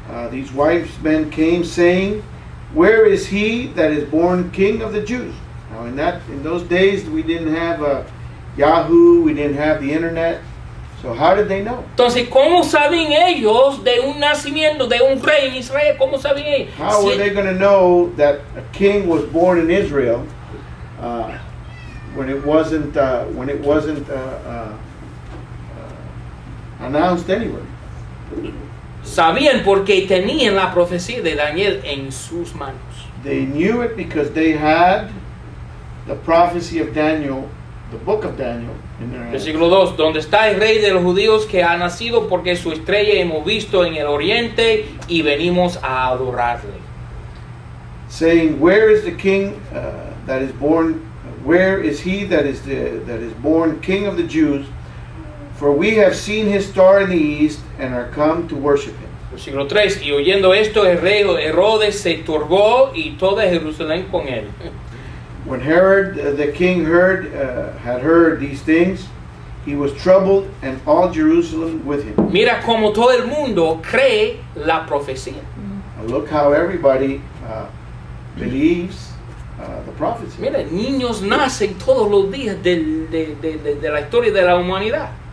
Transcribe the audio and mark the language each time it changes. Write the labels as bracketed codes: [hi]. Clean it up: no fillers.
[en] These wise men came saying, where is he that is born king of the Jews? Now in those days we didn't have Yahoo, we didn't have the internet. So how did they know? [es] Entonces, ¿cómo saben ellos de un nacimiento de un rey en Israel? ¿Cómo saben ellos? [en] How were they going to know that a king was born in Israel when it wasn't announced anywhere? [es] Sabían porque tenían la profecía de Daniel en sus manos. [en] They knew it because they had the prophecy of Daniel, the book of Daniel. [es] Versículo 2, ¿dónde está el rey de los judíos que ha nacido? Porque su estrella hemos visto en el oriente y venimos a adorarle. [en] Saying, where is the king that is born? Where is he that is born king of the Jews? For we have seen his star in the east and are come to worship him. [es] Versículo 3, y oyendo esto el rey Herodes se turbó y toda Jerusalén con él. [en] When Herod the king heard had heard these things, he was troubled, and all Jerusalem with him. [es] Mira como todo el mundo cree la profecía. [en] Look how everybody believes the prophecy. [es] Mira, niños nacen todos los días de la historia de la humanidad.